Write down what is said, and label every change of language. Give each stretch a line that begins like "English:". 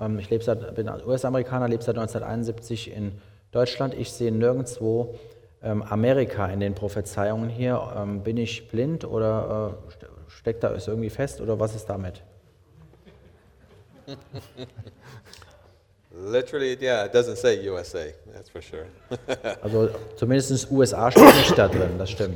German: Ich lebe seit bin US-Amerikaner, lebe seit 1971 in Deutschland. Ich sehe nirgendwo Amerika in den Prophezeiungen hier. Bin ich blind oder steckt da es irgendwie fest oder was ist damit?
English: Literally, yeah, it doesn't say USA, that's for sure.
German: Also, zumindest USA steht nicht da drin, das stimmt.